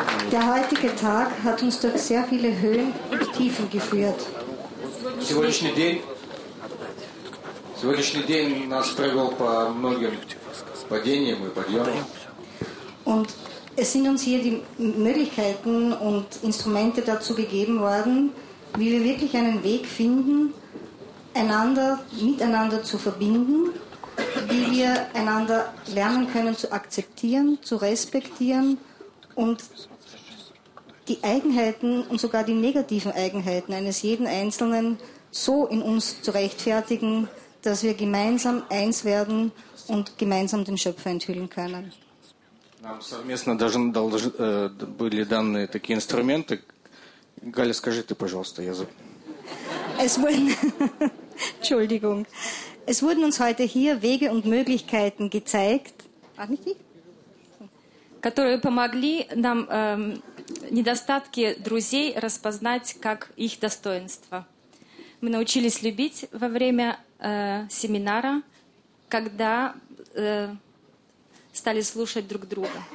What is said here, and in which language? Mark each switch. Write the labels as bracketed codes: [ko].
[de] Der heutige Tag hat uns durch sehr viele Höhen und Tiefen geführt. [ru] Сегодняшний день нас провел по многим падениям и подъемам. [de] Und es sind uns hier die Möglichkeiten und Instrumente dazu gegeben worden, wie wir wirklich einen Weg finden, einander miteinander zu verbinden, wie wir einander lernen können zu akzeptieren, zu respektieren und die Eigenheiten und sogar die negativen Eigenheiten eines jeden Einzelnen so in uns zu rechtfertigen, dass wir gemeinsam eins werden und gemeinsam den Schöpfer enthüllen können. [ru] Нам совместно были даны такие инструменты. Галя, скажи ты, пожалуйста, я забыл. [de] Entschuldigung. Es wurden uns heute hier Wege und Möglichkeiten gezeigt, [ru] которые помогли нам недостатки друзей распознать как их достоинство. Мы научились любить во время семинара, когда стали слушать друг друга.